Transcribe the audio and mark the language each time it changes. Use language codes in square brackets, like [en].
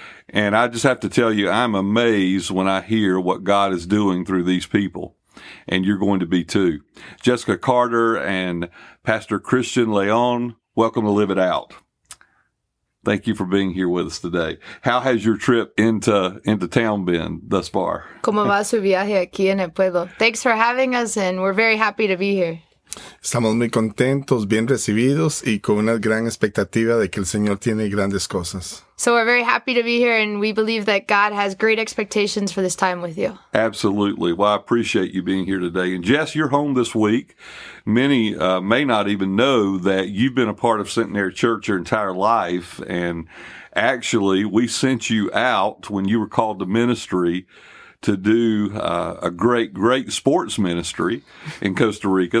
[en] And I just have to tell you, I'm amazed when I hear what God is doing through these people. And you're going to be too. Jessica Carter and Pastor Christian Leon, welcome to Live It Out. Thank you for being here with us today. How has your trip into town been thus far? [es] ¿Cómo va su viaje aquí en el pueblo? [en] Thanks for having us, and we're very happy to be here. [es] Estamos muy contentos, bien recibidos, y con una gran expectativa de que el Señor tiene grandes cosas. [en] So we're very happy to be here, and we believe that God has great expectations for this time with you. Absolutely. Well, I appreciate you being here today. And Jess, you're home this week. Many may not even know that you've been a part of Centenary Church your entire life. And actually, we sent you out when you were called to ministry to do a great, great sports ministry in Costa Rica.